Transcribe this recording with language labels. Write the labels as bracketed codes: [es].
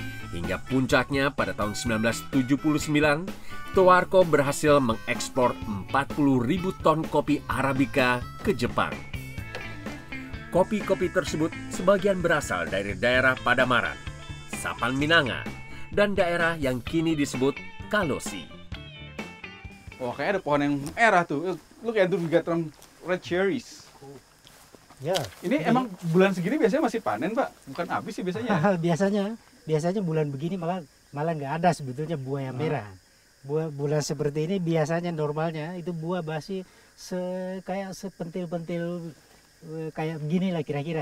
[id] Hingga puncaknya pada tahun 1979, Toarko berhasil mengekspor 40.000 ton kopi Arabica ke Jepang. Kopi-kopi tersebut sebagian berasal dari daerah Padamaran, Sapan Minanga, dan daerah yang kini disebut Kalosi. Wah, kayaknya ada pohon yang merah tuh. [en] Look at that, we got some red cherries. Yeah. [id] Ini emang bulan segini biasanya masih panen, Pak? Bukan habis sih biasanya? biasanya bulan begini malah nggak ada sebetulnya buah yang merah. Bulan seperti ini biasanya normalnya itu buah masih kayak sepentil-pentil. Kayak begini lah kira-kira.